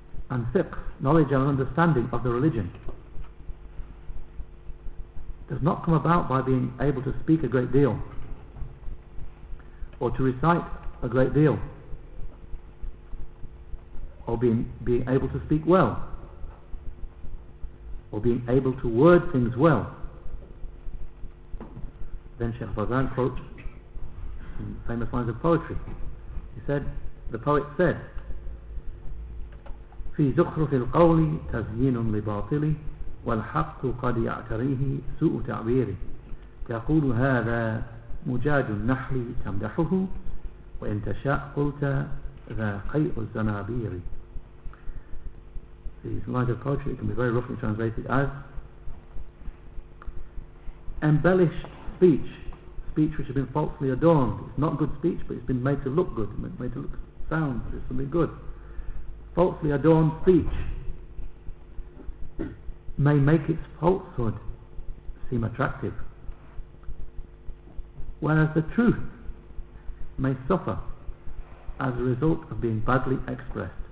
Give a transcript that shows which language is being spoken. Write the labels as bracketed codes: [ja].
[en] And fiqh, knowledge and understanding of the religion, does not come about by being able to speak a great deal or to recite a great deal or being able to speak well or being able to word things well. Then Shaykh Fawzan quotes famous lines of poetry. He said, the poet said, [ar] في زخرف القول تزيين لباطلي والحق قد يعتريه سوء تعبيري تقول هذا مجاد النحل تمدحه وإن تشاء قلت ذا قيء الزنابير. [en] These lines of poetry can be very roughly translated as, embellished speech which has been falsely adorned, it's not good speech, but it's been made to look good, made to look sound, but it's something good. Falsely adorned speech may make its falsehood seem attractive, whereas the truth may suffer as a result of being badly expressed.